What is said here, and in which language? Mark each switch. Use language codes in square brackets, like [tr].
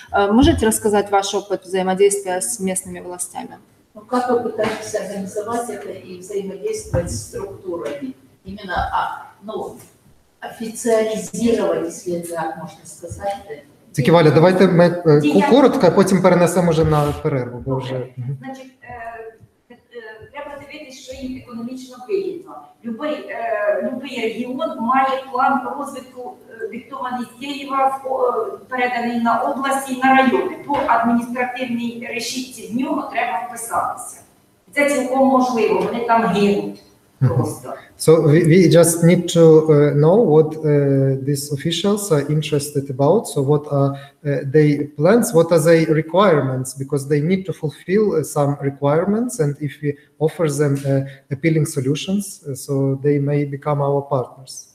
[ru] Можете рассказать ваш опыт взаимодействия с местными властями? Ну, как вы пытаетесь организовать это и взаимодействовать с структурами? Именно официализировать, если это так можно сказать. Так, Валя, давайте мы коротко, а потом перенесем уже на перерву. Okay. Уже... [uk] Значит, треба дивитись, що їм економічно вигідно. Любий регіон має план розвитку, диктований Києвом, переданий на області і на райони. По адміністративній решітці в нього треба вписатися. Це цілком можливо, вони там гинуть. [en] So we just need to know what these officials are interested about. So what are their plans? What are their requirements? Because they need to fulfill some requirements. And if we offer them appealing solutions, so they may become our partners.